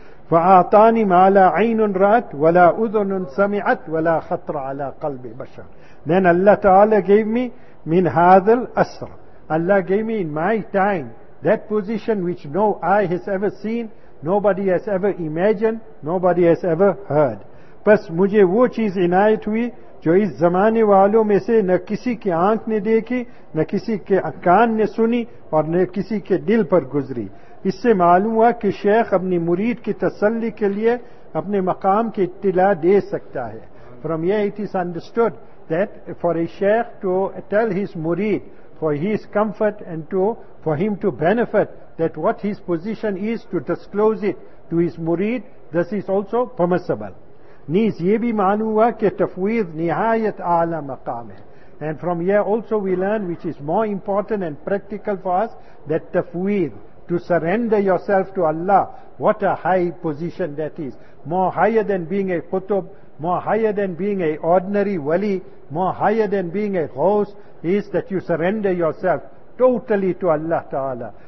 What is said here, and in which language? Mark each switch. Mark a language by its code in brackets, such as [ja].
[ar] فَآتَانِ مَا لَا عَيْنٌ رَأَتْ وَلَا أُذُنٌ سَمِعَتْ وَلَا خَطْرَ عَلَى قَلْبِ بَشَرٍ. [en] Then Allah Ta'ala gave me [ar] مِنْ هَذَا الْأَسْرَ. [en] Allah gave me in my time that position which no eye has ever seen, nobody has ever imagined, nobody has ever heard. [ur] Bas mujhe wo cheez inayat hui جو اس زمانے والوں میں سے نہ کسی کی آنکھ نے دیکھی، نہ کسی کے کان نے سنی، اور نہ کسی کے دل پر گزری. اس سے معلوم ہوا کہ شیخ اپنی مرید کی تسلی کے لیے اپنے مقام کی اطلاع دے سکتا ہے. [en] From here it is understood that for a sheikh to tell his murid for his comfort and to for him to benefit that what his position is to disclose it to his murid, this is also permissible. [ur] نیز یہ بھی معلوم ہوا کہ تفویض نہایت اعلی مقام ہے. [en] And from here also we learn, which is more important and practical for us, that تفویض, to surrender yourself to Allah, what a high position that is. More higher than being a qutub, more higher than being an ordinary wali, more higher than being a ghost, is that you surrender yourself totally to Allah Ta'ala.